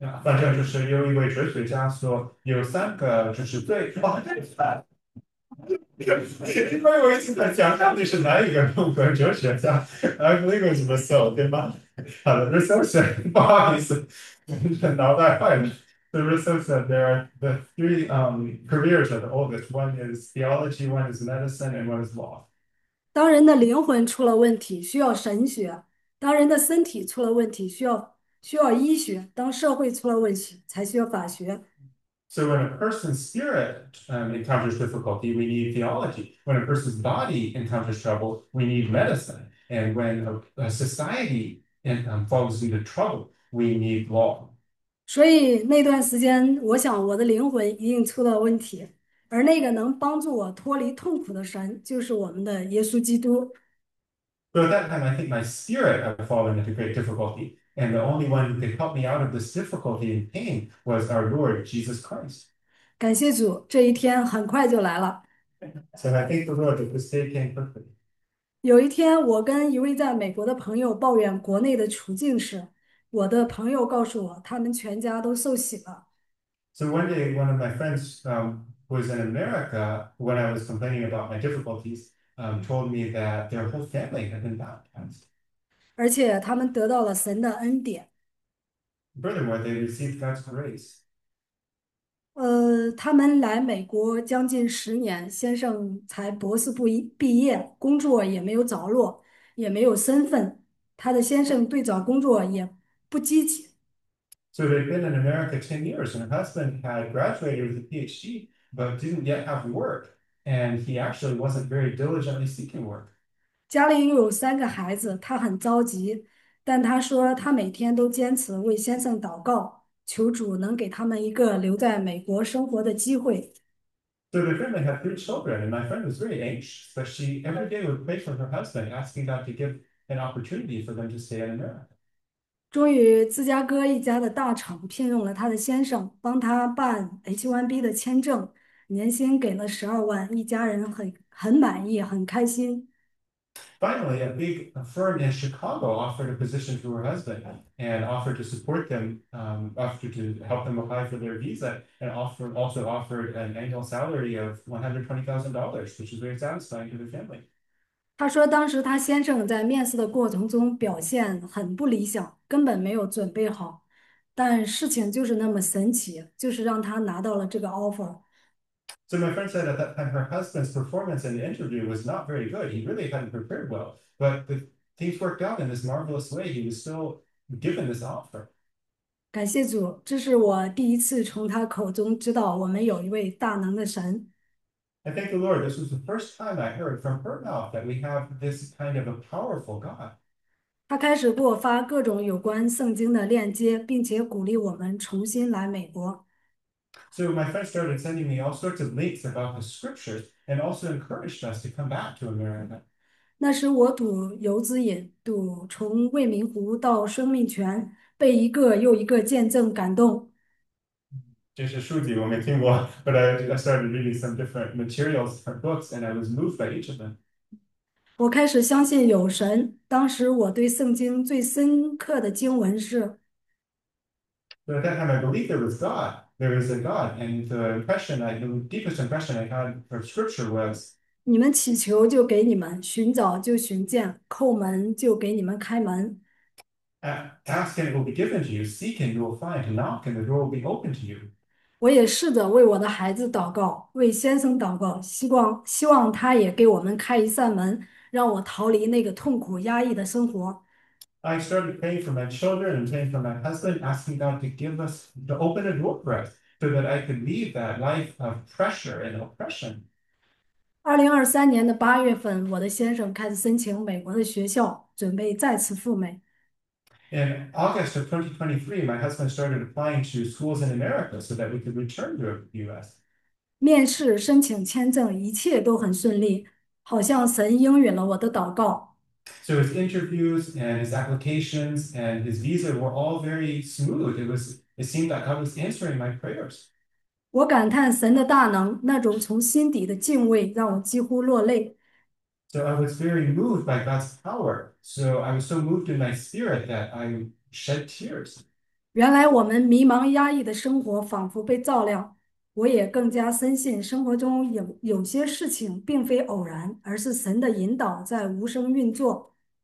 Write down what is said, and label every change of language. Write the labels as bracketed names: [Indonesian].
[Chinese] 反正就是有一位哲学家说有三个就是最高的。你们有一次在想象你是哪一个中国哲学家？ [English] I believe it's Rousseau， [Chinese] 对吗？好的， [English] Rousseau said， [Chinese] 不好意思，脑袋坏了。 [English] Rousseau said there are the three careers of the oldest. One is theology, one is medicine, and one is law. [Chinese] 当人的灵魂出了问题，需要神学；当人的身体出了问题，需要医学；当社会出了问题，才需要法学。 [English] So when a person's spirit encounters difficulty, we need theology. When a person's body encounters trouble, we need medicine. And when a society falls into trouble, we need law. [Chinese] 所以那段时间，我想我的灵魂一定出了问题。而那个能帮助我脱离痛苦的神，就是我们的耶稣基督。 [English] So at that time, I think my spirit had fallen into great difficulty. And the only one who could help me out of this difficulty and pain was our Lord Jesus Christ. [Chinese] 感谢主，这一天很快就来了。 [English] So I thank the Lord that this day came perfectly. [Chinese] 有一天，我跟一位在美国的朋友抱怨国内的处境时，我的朋友告诉我，他们全家都受洗了。 [English] So one day, one of my friends who was in America when I was complaining about my difficulties told me that their whole family had been baptized. [Chinese] 而且他们得到了神的恩典。 [English] Furthermore, they received God's grace. [Chinese] 他们来美国将近10年，先生才博士部毕业，工作也没有着落，也没有身份。他的先生对找工作也不积极。 [English] So they've been in America 10 years, and her husband had graduated with a PhD, but didn't yet have work, and he actually wasn't very diligently seeking work. [Chinese] 家里有3个孩子，他很着急，但他说他每天都坚持为先生祷告，求主能给他们一个留在美国生活的机会。 [English] So the family had 3 children, and my friend was very anxious, but she every day would pray for her husband, asking God to give an opportunity for them to stay in America. [Chinese] 终于，芝加哥一家的大厂聘用了他的先生，帮他办 H1B 的签证，年薪给了12万，一家人很满意，很开心。 [English] Finally, a big firm in Chicago offered a position to her husband and offered to support them, offered to help them apply for their visa, and also offered an annual salary of $120,000, which is very satisfying to the family. [Chinese] 他说，当时他先生在面试的过程中表现很不理想，根本没有准备好。但事情就是那么神奇，就是让他拿到了这个 offer。 [English] So my friend said at that time her husband's performance in the interview was not very good. He really hadn't prepared well, but the things worked out in this marvelous way. He was still given this offer. [Chinese] 感谢主，这是我第一次从他口中知道我们有一位大能的神。 [English] I thank the Lord. This was the first time I heard from her mouth that we have this kind of a powerful God. [Chinese] 他开始给我发各种有关圣经的链接，并且鼓励我们重新来美国。 [English] So my friend started sending me all sorts of links about the scriptures and also encouraged us to come back to America. [Chinese] 那时我赌游子瘾，赌从未名湖到生命泉，被一个又一个见证感动。这些书籍我没听过， [English] but I started reading some different materials and books, and I was moved by each of them. [Chinese] 我开始相信有神。当时我对圣经最深刻的经文是 [English] So at that time, I believed there was God. There is a God, and the deepest impression I had for Scripture was, [Chinese] ：“你们祈求就给你们，寻找就寻见，叩门就给你们开门。 [English] "Ask and it will be given to you. Seek and you will find. Knock and the door will be opened to you." [Chinese] ”我也试着为我的孩子祷告，为先生祷告，希望他也给我们开一扇门。让我逃离那个痛苦压抑的生活。 [English] I started praying for my children and praying for my husband, asking God to give us to open a door for us so that I could leave that life of pressure and oppression. [Chinese] 2023年的8月份，我的先生开始申请美国的学校，准备再次赴美。 [English] In August of 2023, my husband started applying to schools in America so that we could return to the US. [Chinese] 面试、申请签证，一切都很顺利。好像神应允了我的祷告。 [English] So his interviews and his applications and his visa were all very smooth. It seemed that God was answering my prayers. [Chinese] 我感叹神的大能，那种从心底的敬畏让我几乎落泪。 [English] So I was very moved by God's power. So I was so moved in my spirit that I shed tears. [Chinese] 原来我们迷茫压抑的生活仿佛被照亮。我也更加深信，生活中有些事情并非偶然，而是神的引导在无声运作。